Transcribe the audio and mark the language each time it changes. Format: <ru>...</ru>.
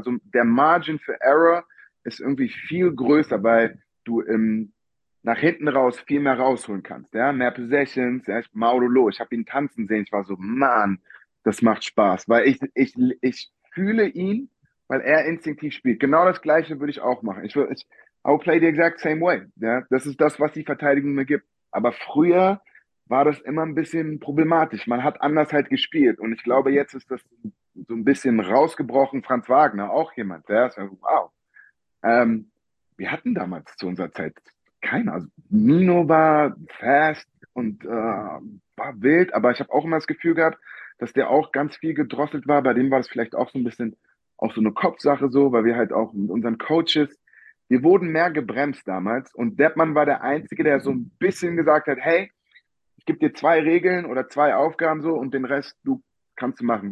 <de>Also der Margin für Error ist irgendwie viel größer, weil du nach hinten raus viel mehr rausholen kannst. Ja? Mehr Possessions, ja? Maudolo, ich habe ihn tanzen sehen, ich war so, Mann, das macht Spaß, weil ich fühle ihn, weil er instinktiv spielt. Genau das Gleiche würde ich auch machen.</de> <en>I'll play the exact same way.</en> <de>Ja? Das ist das, was die Verteidigung mir gibt. Aber früher war das immer ein bisschen problematisch. Man hat anders halt gespielt. Und ich glaube, jetzt ist das so ein bisschen rausgebrochen. Franz Wagner, auch jemand, der ist, wow. Wir hatten damals zu unserer Zeit keine, also Nino war fast und war wild, aber ich habe auch immer das Gefühl gehabt, dass der auch ganz viel gedrosselt war. Bei dem war das vielleicht auch so ein bisschen auch so eine Kopfsache so, weil wir halt auch mit unseren Coaches, wir wurden mehr gebremst damals und Deppmann war der Einzige, der so ein bisschen gesagt hat, hey, ich gebe dir zwei Regeln oder zwei Aufgaben so und den Rest du kannst du machen.</de>